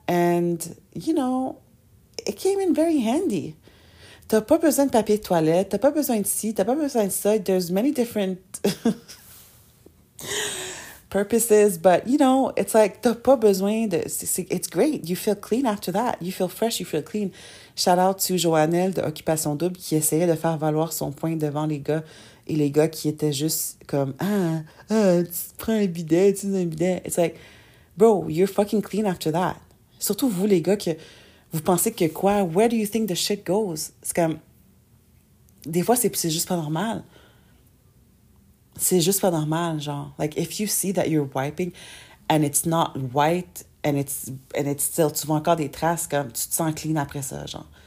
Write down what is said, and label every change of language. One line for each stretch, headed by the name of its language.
English: And, you know, it came in very handy.
French: T'as pas besoin de papier de toilette. T'as pas besoin de ci. T'as pas besoin de ça.
English: There's many different purposes, but you know, it's like
French: t'as pas besoin de,
English: it's great, you feel clean after that, you feel fresh, you feel clean.
French: Shout out to Joannelle de Occupation Double qui essayait de faire valoir son point devant les gars, et les gars qui étaient juste comme, tu prends un bidet, tu prends un bidet.
English: It's like, bro, you're fucking clean after that.
French: Surtout vous les gars, que vous pensez que quoi,
English: where do you think the shit goes?
French: C'est comme, des fois c'est juste pas normal. C'est juste pas normal, genre.
English: Like, if you see that you're wiping and it's not white and it's still,
French: tu vois encore des traces, comme, tu te sens clean après ça, genre.